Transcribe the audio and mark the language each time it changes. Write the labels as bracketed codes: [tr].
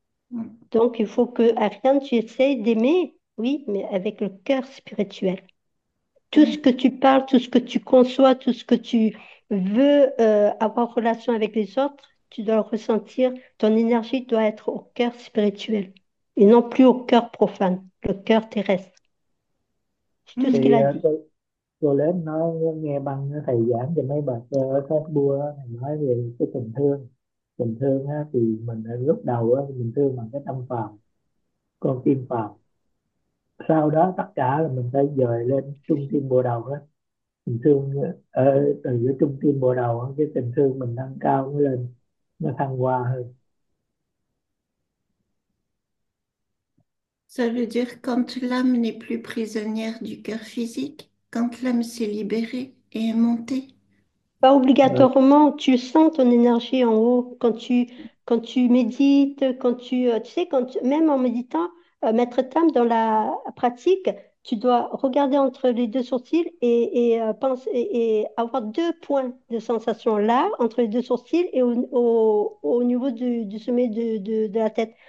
[fr] Donc, il faut que, Ariane, tu essayes d'aimer, oui, mais avec le cœur spirituel. Tout ce que tu parles, tout ce que tu conçois, tout ce que tu veux avoir relation avec les autres, Tu dois ressentir, ton énergie doit être au cœur spirituel et non plus au cœur profane, le cœur terrestre. C'est tout ce qu'il a Thì dit. [vi] cô lớn nói nghe băng thầy giảng cho mấy bà sơ ở Pháp Bua, thầy nói về cái tình thương. Tình thương á, thì mình lúc đầu á, mình thương bằng cái tâm phàm, con tim phàm. Sau đó tất cả là mình phải dời lên trung tim bồ đầu á. Mình thương từ giữa trung tim bồ đầu á, cái tình thương mình nâng cao nó lên, nó thăng hoa hơn. [fr] Ça veut dire quand l'âme n'est plus prisonnière du cœur physique, quand l'âme s'est libérée et est montée. Pas Ouais. obligatoirement, tu sens ton énergie en haut quand tu médites, quand tu sais, quand tu, même en méditant, Maître Tam, dans la pratique, tu dois regarder entre les deux sourcils et avoir deux points de sensation là, entre les deux sourcils et au niveau du sommet de la tête.